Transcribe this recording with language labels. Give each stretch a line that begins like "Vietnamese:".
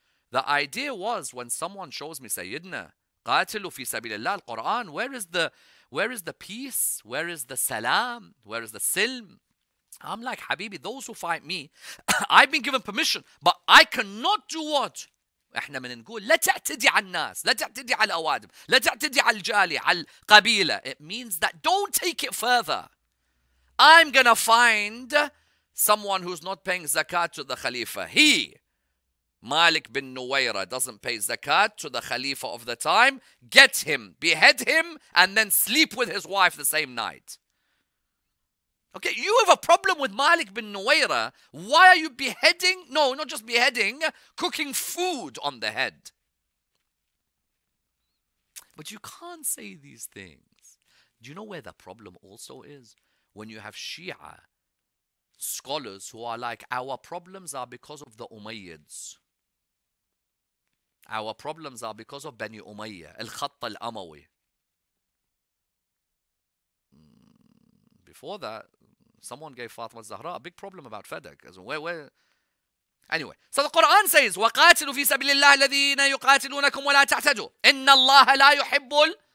English: The idea was when someone shows me Sayyidina, قاتلوا في سبيل الله القرآن, where is the peace? Where is the salam? Where is the silm? I'm like, Habibi, those who fight me, I've been given permission, but I cannot do what?
Arabic: إحنا من نقول لا تعتدي على الناس, لا تعتدي على الأوادم, لا تعتدي على الجالية, على القبيلة.
English: It means that don't take it further. I'm going to find someone who's not paying zakat to the Khalifa. He, Malik bin Nuwayra, doesn't pay zakat to the Khalifa of the time. Get him, behead him, and then sleep with his wife the same night. Okay, you have a problem with Malik bin Nuwayra. Why are you beheading? No, not just beheading, cooking food on the head. But you can't say these things. Do you know where the problem also is? When you have Shia scholars who are like, our problems are because of the Umayyads. Our problems are because of Bani Umayyah, Al-Khatt Al-Amawi. Before that, someone gave Fatima Zahra a big problem about Fedak.
Arabic: Anyway, so the Quran says, وَقَاتِلُوا فِي سَبِلِ اللَّهِ الَّذِينَ يُقَاتِلُونَكُمْ وَلَا تَعْتَدُوا إِنَّ اللَّهَ لَا يُحِبُّ الْ.